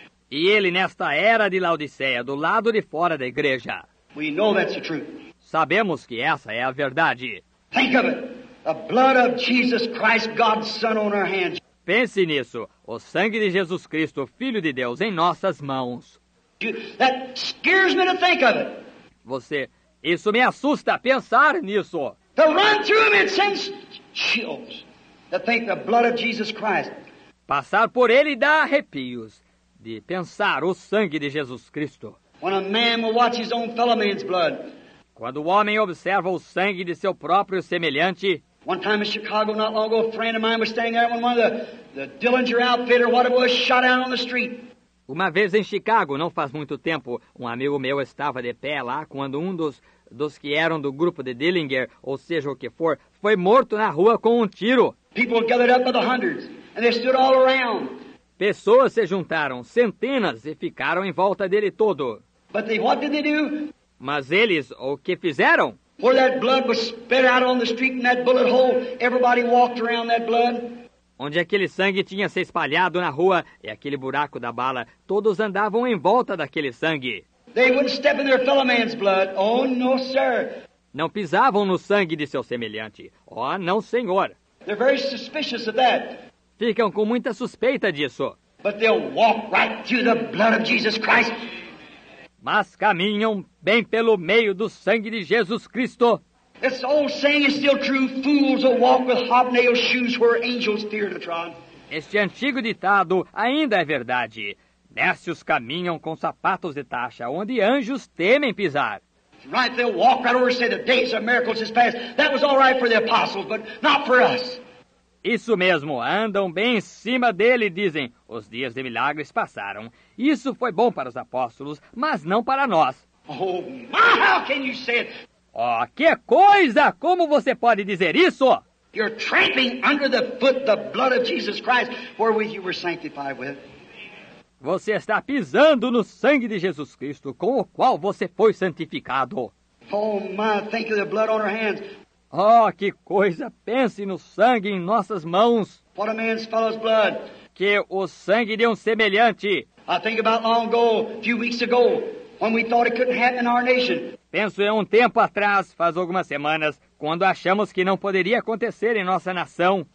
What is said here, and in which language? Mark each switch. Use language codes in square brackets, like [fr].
[pt] E ele nesta era de Laodiceia, do lado de fora da igreja. [en] We know that's the truth. [pt] Sabemos que essa é a verdade. [en] Think of it. The blood of Jesus Christ, God's Son, on our hands. [pt] Pense nisso. O sangue de Jesus Cristo, Filho de Deus, em nossas mãos. [en] That scares me to think of it. [pt] Você... Isso me assusta pensar nisso. [en] To run through him, it sends chills. To think the blood of Jesus Christ. [pt] Passar por ele dá arrepios de pensar o sangue de Jesus Cristo. [en] When a man will watch his own fellow man's blood. [pt] Quando o homem observa o sangue de seu próprio semelhante. [en] One time in Chicago, not long ago, a friend of mine was staying there when one of the Dillinger outfit or whatever was shot out on the street. [pt] Uma vez em Chicago, não faz muito tempo, um amigo meu estava de pé lá quando um dos que eram do grupo de Dillinger, ou seja o que for, foi morto na rua com um tiro. [en] People gathered up by the hundreds, and they stood all around. [pt] Pessoas se juntaram, centenas, e ficaram em volta dele todo. [en] But they, what did they do? [pt] Mas eles, o que fizeram? [en] Where that blood was spit out on the street in that bullet hole, everybody walked around that blood. [pt] Onde aquele sangue tinha se espalhado na rua e aquele buraco da bala, todos andavam em volta daquele sangue. [en] They wouldn't step in their fellow man's blood. Oh, no, sir. [pt] Não pisavam no sangue de seu semelhante. Oh, não, senhor. [en] They're very suspicious of that. [pt] Ficam com muita suspeita disso. [en] But they'll walk right through the blood of Jesus Christ. [pt] Mas caminham bem pelo meio do sangue de Jesus Cristo. [en] This old saying is still true. Fools will walk with hobnailed shoes where angels fear to trod. [pt] Este antigo ditado ainda é verdade. Nécios caminham com sapatos de tacha, onde anjos temem pisar. [en] Right, they'll walk right over and say the days of miracles is past. That was all right for the apostles, but not for us. [pt] Isso mesmo, andam bem em cima dele e dizem, os dias de milagres passaram. Isso foi bom para os apóstolos, mas não para nós. [en] Oh, my, how can you say it? [pt] Oh, que coisa! Como você pode dizer isso? [en] You're tramping under the foot the blood of Jesus Christ, wherewith you were sanctified with. [pt] Você está pisando no sangue de Jesus Cristo, com o qual você foi santificado. [en] Oh, my, think of the blood on our hands. [pt] Oh, que coisa! Pense no sangue em nossas mãos. [en] What a man's fellow's blood. [pt] Que o sangue de um semelhante. [en] I think about long ago, a few weeks ago, when we thought it couldn't happen in our nation. [pt] Penso em um tempo atrás, faz algumas semanas, quando achamos que não poderia acontecer em nossa nação.